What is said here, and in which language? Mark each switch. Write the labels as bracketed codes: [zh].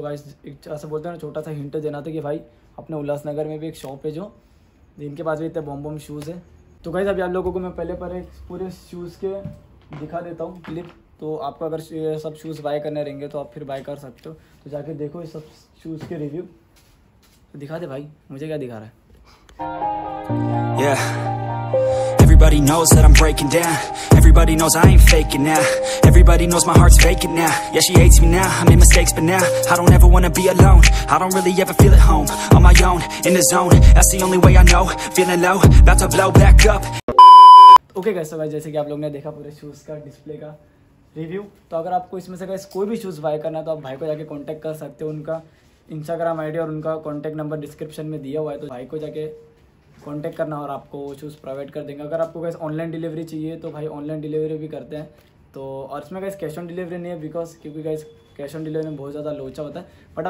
[hi] Guys एक ऐसे बोलते हैं ना, छोटा सा हिंट देना था कि भाई अपने उल्लासनगर में भी एक शॉप है जो जिनके पास भी इतने बॉम बॉम शूज़ है। तो गाइस अभी आप लोगों को मैं पहले पर एक पूरे शूज़ के दिखा देता हूँ क्लिप, तो आपको अगर ये सब शूज़ बाय करने रहेंगे तो आप फिर बाय कर सकते हो। तो जाके देखो ये सब शूज़ के रिव्यू, तो दिखा दे भाई मुझे क्या दिखा रहा है। yeah. [en] Everybody knows that I'm breaking down. Everybody knows I ain't faking now. Everybody knows my heart's faking now. Yeah, she hates me now. I made mistakes, but now I don't ever wanna be alone. I don't really ever feel at home. On my own, in the zone. That's the only way I know. Feeling low, about to blow back up. [hi] Okay, guys, so guys, जैसे कि आप लोगों ने देखा पूरे shoes का display का review, तो अगर आपको इसमें से guys कोई भी shoes buy करना है, तो आप भाई को जाके contact कर सकते हो। उनका Instagram ID और उनका contact number description में दिया हुआ है, तो भाई को जाके कॉन्टैक्ट करना और आपको वो चूज़ प्रोवाइड कर देंगे। अगर आपको गैस ऑनलाइन डिलीवरी चाहिए तो भाई ऑनलाइन डिलीवरी भी करते हैं, तो और इसमें गैस कैश ऑन डिलीवरी नहीं है, बिकॉज क्योंकि गैस कैश ऑन डिलीवरी में बहुत ज़्यादा लोचा होता है।